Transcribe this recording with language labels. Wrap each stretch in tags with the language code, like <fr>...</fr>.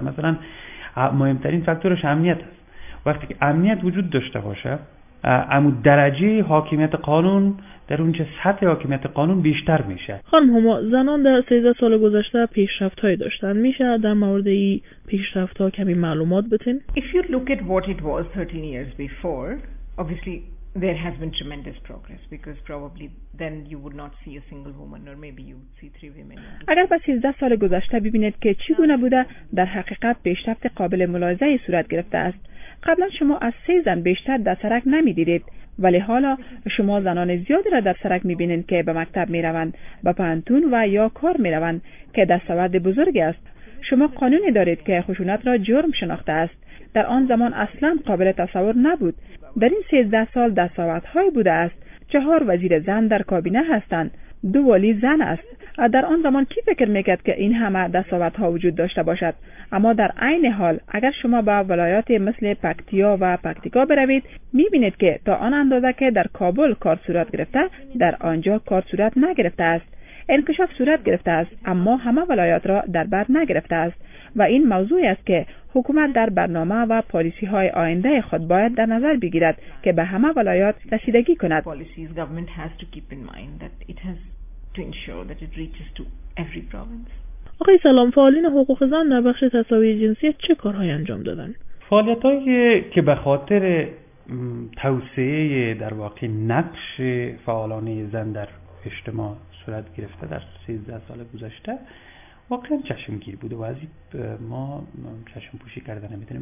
<fa>مثلا مهمترین فاکتورش امنیت است. وقتی که امنیت وجود داشته باشه اما درجه حاکمیت قانون در اونجا سطح حاکمیت قانون بیشتر میشه. خانم هما، زنان در 13 سال گذشته پیشرفت هایی داشتن، میشه در مورد این پیشرفت ها کمی معلومات بتین؟</fa> <en>If you look at what it was 13 years before, obviously there has been tremendous progress because probably then you would not see a single woman or maybe you would see three women.</en> <fa>اگر با 13 سال گذشته ببینید که چی گونه بوده، در حقیقت پیشرفت قابل ملاحظه ای صورت گرفته است. قبلا شما از 3 زن بیشتر در سرک نمی دیدید، ولی حالا شما زنان زیادی را در سرک می بینید که به مکتب می روند، به پانتون و یا کار می روند که دستاورد بزرگی است. شما قانونی دارید که خشونت را جرم شناخته است. در آن زمان اصلا قابل تصور نبود. در این 13 سال دستاوردهای بوده است. 4 وزیر زن در کابینه هستند. 2 والی زن است. در آن زمان کی فکر میکرد که این همه دستاوردها وجود داشته باشد؟ اما در عین حال اگر شما به ولایات مثل پکتیا و پکتیکا بروید، میبینید که تا آن اندازه که در کابل کار صورت گرفته، در آنجا کار صورت نگرفته است. انکشاف صورت گرفته است، اما همه ولایات را در بر نگرفته است. و این موضوعی است که حکومت در برنامه و پالیسی های آینده خود باید در نظر بگیرد که به همه ولایات رسیدگی کند.</fa> <en>Policies government has to keep in mind that it has to ensure that it reaches to every province.</en> <fa>آقای سلام، فعالین حقوق زن در بخش تساوی جنسی چه کارهایی انجام دادن؟ فعالیت هایی که به خاطر توسعه در واقع نقش فعالان زن در اجتماع صورت گرفته در 13 سال گذشته واقعا چشمگیر بوده و از این ما چشم پوشی کرده نمیتونیم.</fa>